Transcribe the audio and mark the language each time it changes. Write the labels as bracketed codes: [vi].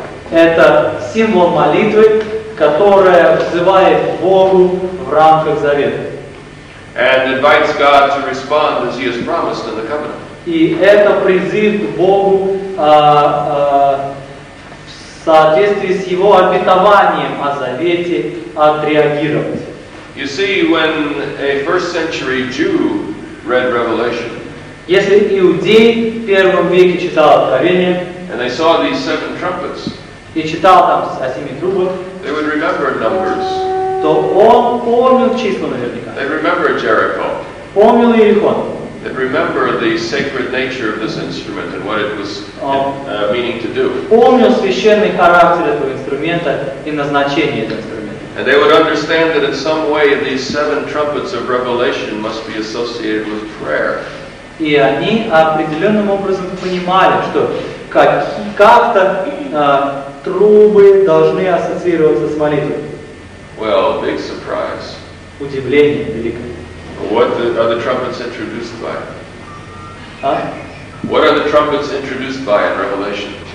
[ru] Это символ молитвы, которая взывает Богу в рамках завета. [en] And invites God to respond as He has promised in the covenant. [ru] И это призыв к Богу в соответствии с Его обетованием о завете отреагировать. [en] You see, when a first century Jew read Revelation, [ru] если иудей в первом веке читал Откровение, [en] and they saw these seven trumpets, [ru] и читал там о семи трубах, [en] they would remember numbers. [ru] То он помнил числа наверняка. [en] They remember Jericho. [ru] Помнил Иерихон. [en] They remember the sacred nature of this instrument and what it was meaning to do. [ru] Помнил священный характер этого инструмента и назначение этого инструмента. [en] And they would understand that in some way these seven trumpets of Revelation must be associated with prayer. [ru] И они определенным образом понимали, что как-то трубы должны ассоциироваться с молитвой. [en] Well, big surprise. [ru] Удивление великое. [en] What are the trumpets introduced by? А? What are the trumpets introduced by in Revelation?